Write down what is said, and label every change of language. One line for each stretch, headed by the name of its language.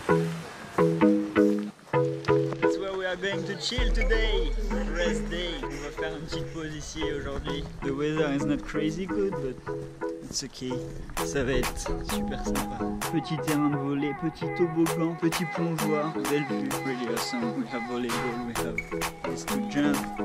English: That's where we are going to chill today. Rest day.
French: On va faire un petit pause ici aujourd'hui.
English: The weather is not crazy good, but it's okay.
French: Ça va être super sympa. Petit terrain de volley, petit toboggan, petit plongeoir. Belle vue.
English: Really awesome. We have volleyball, we have this to jump.